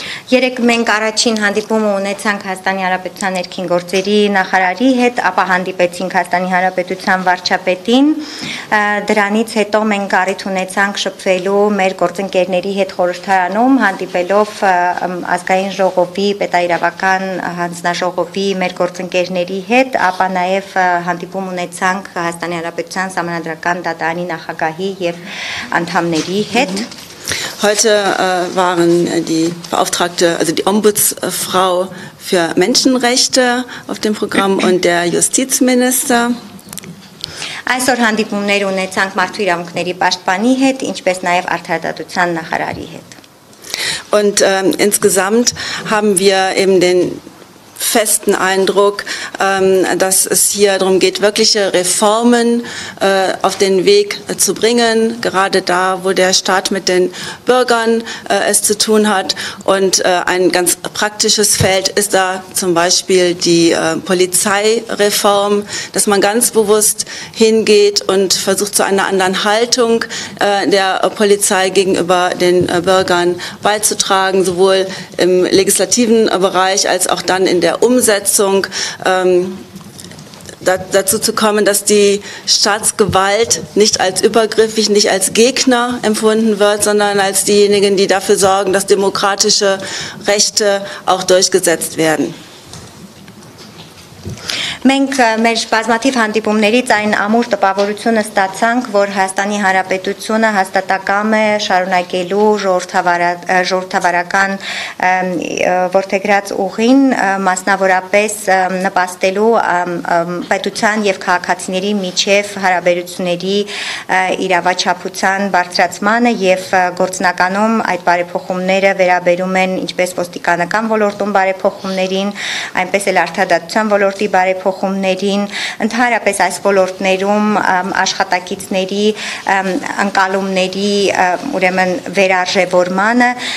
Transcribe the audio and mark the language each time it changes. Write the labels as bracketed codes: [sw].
[hy] Երեք մենք առաջին հանդիպումը ունեցանք Հայաստանի Հանրապետության ներքին գործերի նախարարի հետ, ապա հանդիպեցինք Հայաստանի Հանրապետության վարչապետին, դրանից հետո մենք առիթ ունեցանք շփվելու մեր գործընկերների հետ խորհրդարանում, հանդիպելով ազգային ժողովի, պետաիրավական հանձնաժողովի մեր գործընկերների հետ, ապա նաև հանդիպում ունեցանք Հայաստանի Հանրապետության Սահմանադրական դատարանի նախագահի և անդամների հետ. [de] Heute waren die Beauftragte, also die Ombudsfrau für Menschenrechte auf dem Programm und der Justizminister. [hy] Այսօր հանդիպումներ ունեցանք մարդու իրավունքների պաշտպանի հետ, ինչպես նաև արդարադատության նախարարի հետ. [de] Und insgesamt haben wir eben den festen Eindruck, dass es hier darum geht, wirkliche Reformen auf den Weg zu bringen, gerade da, wo der Staat mit den Bürgern es zu tun hat. Und ein ganz praktisches Feld ist da zum Beispiel die Polizeireform, dass man ganz bewusst hingeht und versucht, zu einer anderen Haltung der Polizei gegenüber den Bürgern beizutragen, sowohl im legislativen Bereich als auch dann in der Umsetzung dazu zu kommen, dass die Staatsgewalt nicht als übergriffig, nicht als Gegner empfunden wird, sondern als diejenigen, die dafür sorgen, dass demokratische Rechte auch durchgesetzt werden. [hy] Մենք մեր բազմաթիվ հանդիպումներից այն ամուր տպավորությունը ստացանք, որ Հայաստանի Հանրապետությունը հաստատակամ է շարունակելու ժողովրդավարական որդեգրած ուղին, մասնավորապես նպաստելու պետության և քաղաքացիների միջև հարաբերությունների իրավաչափության բարձրացմանը և գործնականում այդ բարեփոխումները վերաբերում են ինչպես ոստիկանական ոլորտում բարեփոխումներին, այնպես էլ արդարադատության ոլորտի բարեփոխումներին, ընդհանրապես այս ոլորտներում աշխատակիցների ընկալումների ուրեմն վերարժևորմանը